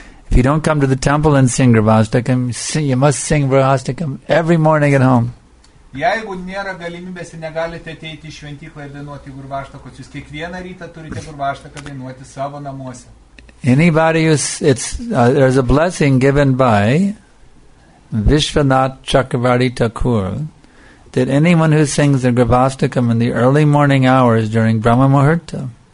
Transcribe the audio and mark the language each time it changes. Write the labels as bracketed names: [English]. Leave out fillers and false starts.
[English] If you don't come to the temple and sing Vrihastikam, you must sing Vrihastikam every morning at home. [Lithuanian] Jeigu nėra galimybės ir negalite ateiti į šventyklą ir dainuoti Vrihastikam, jūs kiekvieną rytą turite Vrihastikam dainuoti savo namuose. [English] Anybody who's, it's, there's a blessing given by Vishwanath Chakravarti Thakur that anyone who sings the Gravastakam in the early morning hours during Brahma Muhurta.